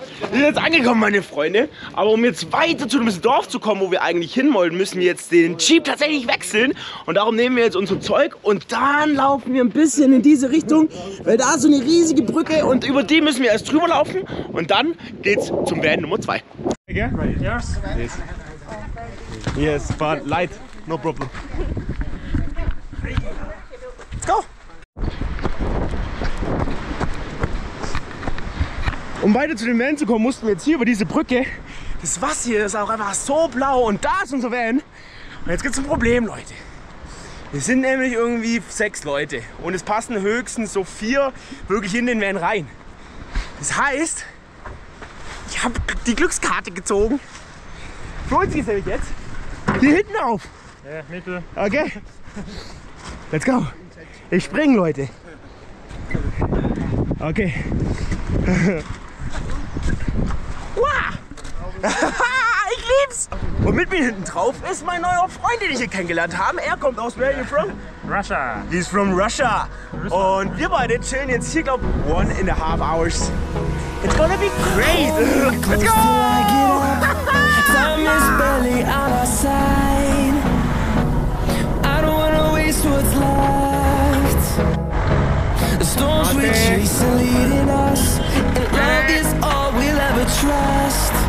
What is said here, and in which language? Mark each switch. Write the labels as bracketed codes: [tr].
[de] Wir sind jetzt angekommen, meine Freunde. Aber um jetzt weiter zu dem Dorf zu kommen, wo wir eigentlich hin wollen, müssen wir jetzt den Jeep tatsächlich wechseln. Und darum nehmen wir jetzt unser Zeug und dann laufen wir ein bisschen in diese Richtung, weil da ist so eine riesige Brücke und über die müssen wir erst drüber laufen. Und dann geht's zum Van Nummer 2. [en] Yes, but light, no problem. Let's go! [de] Um weiter zu dem Van zu kommen, mussten wir jetzt hier über diese Brücke. Das Wasser hier ist auch einfach so blau und da ist unser Van. Und jetzt gibt es ein Problem, Leute. Wir sind nämlich irgendwie 6 Leute und es passen höchstens so 4 wirklich in den Van rein. Das heißt, ich habe die Glückskarte gezogen. Freut sich nämlich jetzt hier hinten auf. Ja, Mitte. Okay. [en] Let's go. [de] Ich springe, Leute. Okay. Wow! Ich lieb's. Und mit mir hinten drauf ist mein neuer Freund, den ich hier kennengelernt habe. Er kommt aus, [en] where are you from? Russia. He's from Russia. [de] Und wir beide chillen jetzt hier, glaube ich, 1.5 [en] hours. It's gonna be great. Let's go. Time is barely on our side. I don't wanna waste what's left. The storms we chase are leading us. And love is all we'll ever trust.